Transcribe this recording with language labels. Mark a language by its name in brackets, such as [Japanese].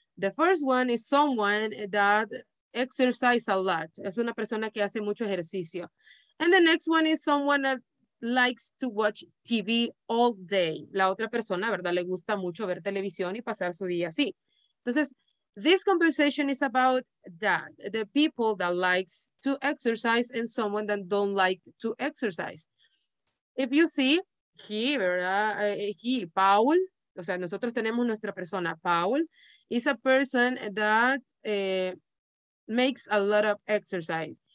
[English] The first one is someone that exercise a lot. [Spanish] Es una persona que hace mucho ejercicio. [English] And the next one is someone that likes to watch TV all day. [Spanish] La otra persona, ¿verdad? Le gusta mucho ver televisión y pasar su día así. [English] Entonces, this conversation is about that. The people that likes to exercise and someone that don't like to exercise. If you see, he, ¿verdad? He, Paul. [Spanish] O sea, nosotros tenemos nuestra persona. [English] Paul is a person that makes a lot of exercise.